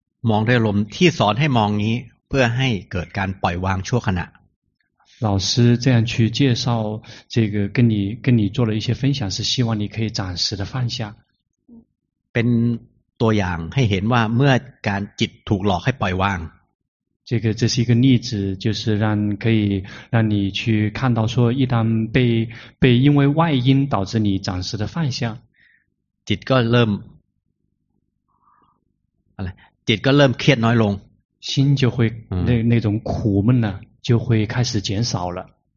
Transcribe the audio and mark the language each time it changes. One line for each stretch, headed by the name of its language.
Thai: มองด้วยลมที่สอนให้มองนี้เพื่อให้เกิดการปล่อยวางชั่วขณะ。
Chinese: 老师这样去介绍这个跟你做了一些分享是希望你可以暂时的放下
Thai: เป็นตัวอย่างให้เห็นว่าเมื่อการจิตถูกหลอกให้ปล่อยวาง
Chinese: 这是一个例子就是让你去看到说一旦被因为外因导致你暂时的放下
Thai: จิตก็เริ่มเครียดน้อยลง
Chinese: 心就会那种苦闷了就会开始减少了